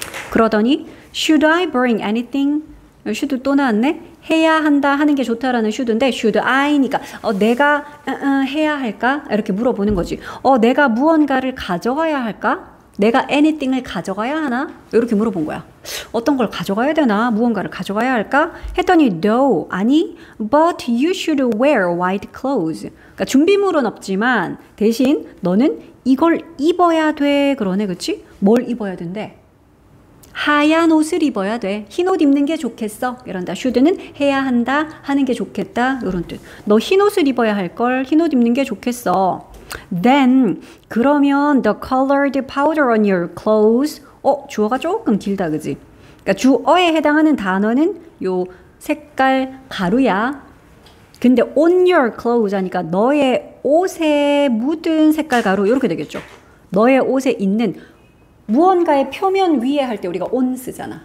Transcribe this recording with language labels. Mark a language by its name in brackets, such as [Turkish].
[Korean] 그러더니 [English] Should I bring anything? [Korean] Should 또 나왔네. 해야 한다 하는 게 좋다라는 should인데 should I니까 내가 해야 할까? 이렇게 물어보는 거지. 내가 무언가를 가져가야 할까? 내가 anything을 가져가야 하나? 이렇게 물어본 거야. 어떤 걸 가져가야 되나? 무언가를 가져가야 할까? 했더니 no, 아니, [English] but you should wear white clothes. [Korean] 그러니까 준비물은 없지만 대신 너는 이걸 입어야 돼. 그러네, 그치? 뭘 입어야 된대? 하얀 옷을 입어야 돼. 흰 옷 입는 게 좋겠어. 이런다. should는 해야 한다, 하는 게 좋겠다. 이런 뜻. 너 흰 옷을 입어야 할 걸, 흰 옷 입는 게 좋겠어. [English] Then, [Korean] 그러면 [English] the colored powder on your clothes. [Korean] 주어가 조금 길다, 그지? 그러니까 주어에 해당하는 단어는 요 색깔 가루야. 근데 [English] on your clothes [Korean] 하니까 너의 옷에 묻은 색깔 가루 이렇게 되겠죠. 너의 옷에 있는 무언가의 표면 위에 할 때 우리가 on 쓰잖아.